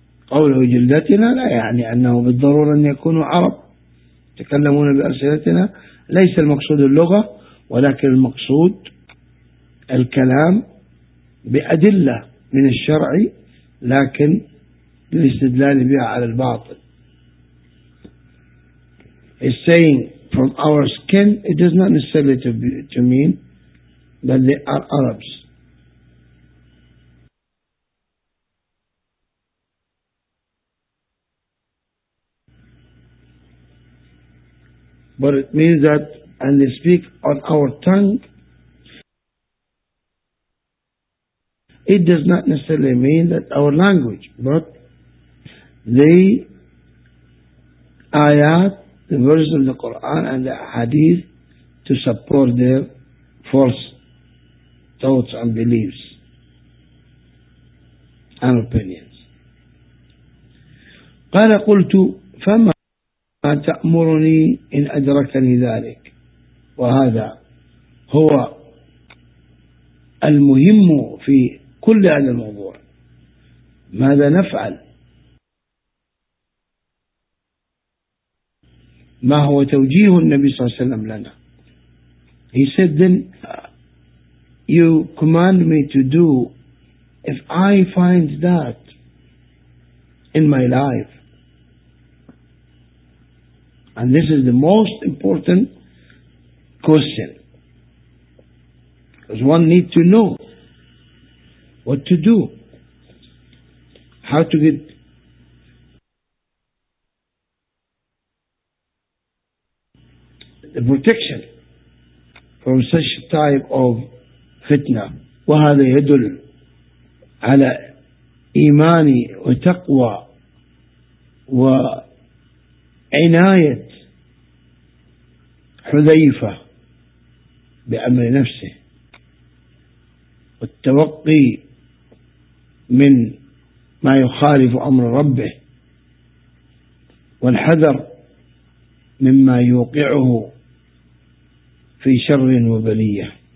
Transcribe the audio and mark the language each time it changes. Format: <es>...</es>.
<ar>قوله جلدتنا لا يعني أنه بالضرورة أن يكونوا عرب يتكلمون بألسنتنا, ليس المقصود اللغة ولكن المقصود الكلام بأدلة من الشرع لكن للاستدلال بها على الباطل.</ar> <en>Is saying from our skin, it does not necessarily to mean that they are Arabs. But it means that, and they speak on our tongue, it does not necessarily mean that our language, but the ayat, the verses of the Quran and the Hadith to support their false thoughts and beliefs and opinions.</en> <ar>قال قلت فما تأمرني إن أدركني ذلك. وهذا هو المهم في كل هذا الموضوع. ماذا نفعل؟ ما هو توجيه النبي صلى الله عليه وسلم لنا؟</ar> <en>He said then, you command me to do, if I find that in my life. And this is the most important question. Because one needs to know what to do. How to get the protection from such type of fitna.</en> <ar>وهذا يدل على إيمان وتقوى وعناية حذيفة بأمر نفسه والتوقي من ما يخالف أمر ربه والحذر مما يوقعه في شر وبلية.</ar>